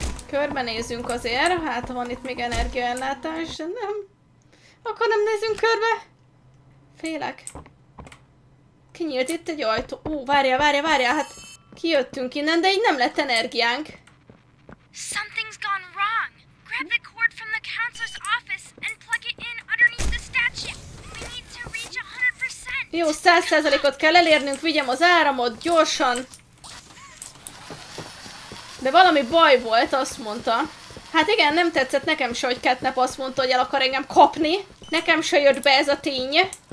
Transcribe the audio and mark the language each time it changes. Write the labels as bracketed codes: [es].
[hu] Körbenézünk azért, hát van itt még energiaellátás, de nem. Akkor nem nézünk körbe. Félek. Kinyílt itt egy ajtó. Ó, várjál, hát... Kijöttünk innen, de így nem lett energiánk. [en] Something's gone wrong. Grab the cord from the counselor's office and plug it in underneath the statue. We need to reach 100%. [hu] Jó, 100%-ot kell elérnünk, vigyem az áramot gyorsan. De valami baj volt, azt mondta. Hát igen, nem tetszett nekem se, hogy Catnap azt mondta, hogy el akar engem kapni. Nekem se jött be ez a tény.